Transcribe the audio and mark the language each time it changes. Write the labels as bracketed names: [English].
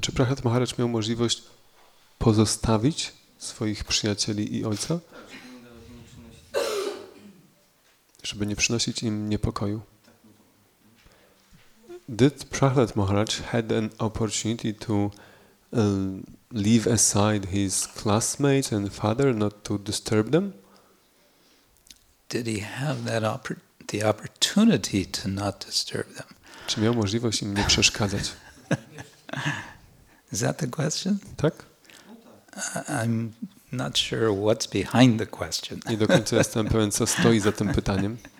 [Polish] Czy Prahlad Maharaj miał możliwość pozostawić swoich przyjacieli i ojca? Żeby nie przynosić im niepokoju. [English] did Prahlad Maharaj had an opportunity to leave aside his classmates and father, not to disturb them? Did he have that the opportunity to not disturb them? [Polish] Czy miał możliwość im nie przeszkadzać? [English] Is that the question? [Polish] Tak. [English] I'm not sure what's behind the question. [Polish] Nie do końca jestem pewien, co stoi za tym pytaniem.